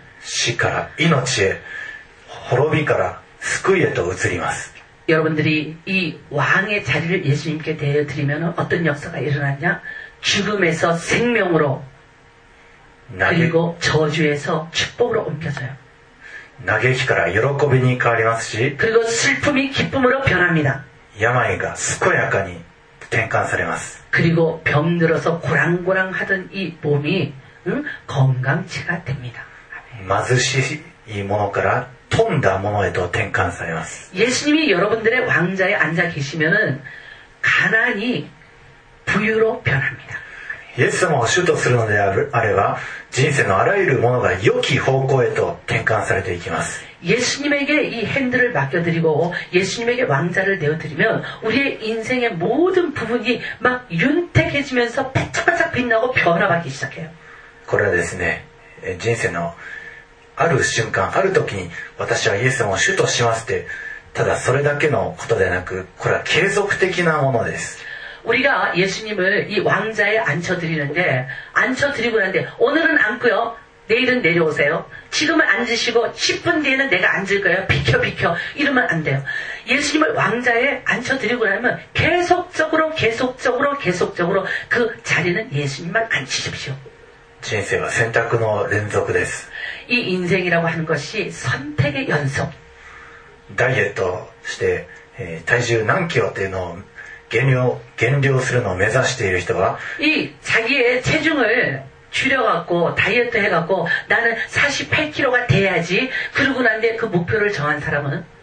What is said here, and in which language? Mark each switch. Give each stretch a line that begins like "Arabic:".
Japanese: 死から命へ滅びから救いへと移ります
Korean: 여러분들이이왕의자리를예수님께대어드리면어떤역사가일어났냐죽음에서생명으로그리고저주에서축복으로옮겨져요
Japanese: 嘆きから喜びに変わりますし
Korean: 그리고슬픔이기쁨으로변합니다
Japanese: 病が健やかに転換されます
Korean: 그리고병들어서고랑고랑하던이몸이건강체가됩니다
Japanese: 貧しいものから富んだものへと転換されます
Korean: 예수님이여러분들의왕좌에앉아계시면은가난이부유로변합니다
Japanese: 예수様を主とするのであれば人生のあらゆるものが良き方向へと転換されていきます
Korean: 예수님에게이핸들을맡겨드리고예수님에게왕좌를내어드리면우리의인생의모든부분이막윤택해지면서바짝바짝빛나고변화받기시작해요
Japanese: これはですね人生のある瞬間ある時に私はイエス様を主としますってただそれだけのことでなくこれは継続的なものです
Korean: 우리가예수님을이왕좌에앉혀드리는데앉혀드리고난데오늘은앉고요내일은내려오세요지금은앉으시고10분뒤에는내가앉을거예요비켜비켜이러면안돼요예수님을왕좌에앉혀드리고나면계속적으로계속적으로계속적으로그자리는예수님만앉히십시오
Japanese: 人生は選択の連続です。
Korean: 이인생이라고하는것이선택의연속。
Japanese: ダイエットして、体重何キロっていうのを減量するのを目指している人は、
Korean: 이자기의체중을줄여갖고다이어트해갖고나는48
Japanese: キロが
Korean: 돼야지。그러고난뒤에그목표를정한사람은